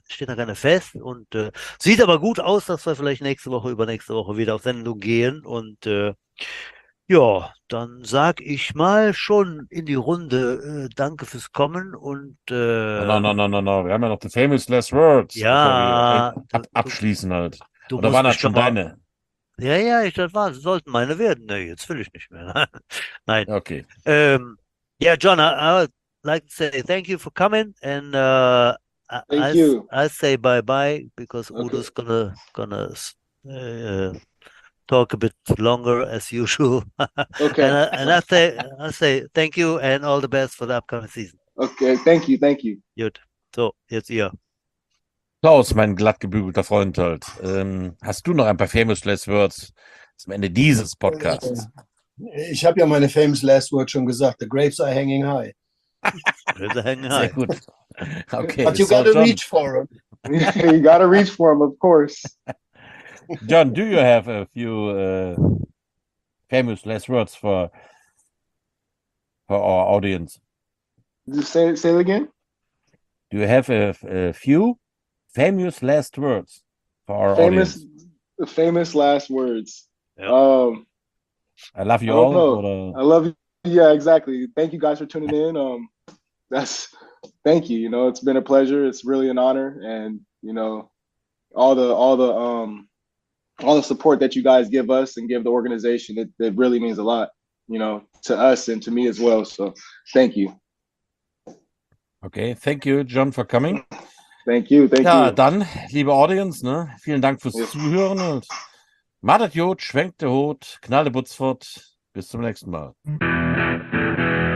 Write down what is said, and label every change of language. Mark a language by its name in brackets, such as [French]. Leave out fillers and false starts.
[German] Es steht noch keine fest und sieht aber gut aus, dass wir vielleicht nächste Woche, übernächste Woche wieder auf Sendung gehen und ja, dann sag ich mal schon in die Runde danke fürs Kommen und [English] No. [German] Wir haben ja noch the famous last words. Ja. Abschließen halt. Oder waren das schon deine? Ja, ich dachte, das sollten meine werden. Nee, jetzt will ich nicht mehr. Nein. Okay. [English] Yeah, John, I would like to say thank you for coming and I'll say bye-bye because okay. Udo's gonna talk a bit longer as usual. Okay. And I say thank you and all the best for the upcoming season. Okay, thank you. [German] Gut. So, jetzt ihr. Klaus, mein glattgebügelter Freund halt, hast du noch ein paar famous last words zum Ende dieses Podcasts? Ich habe ja meine famous last words schon gesagt. The grapes are hanging high. [English] Grapes are hanging high. [German] Sehr gut. Okay, [English] but you gotta reach for them. You gotta reach for them, of course. John, do you have a few famous last words for our audience? Say it again? Do you have a few? Famous last words for our famous audience. Famous last words. I love you all. I love you. Yeah, exactly. Thank you guys for tuning in. Thank you. You know, it's been a pleasure. It's really an honor, and you know, all the support that you guys give us and give the organization, it really means a lot. You know, to us and to me as well. So, thank you. Okay. Thank you, John, for coming. Thank you. [German] Ja, dann, liebe Audience, ne, vielen Dank fürs Zuhören und macht das gut, schwenkt der Hut, knallt der Butzfort, bis zum nächsten Mal.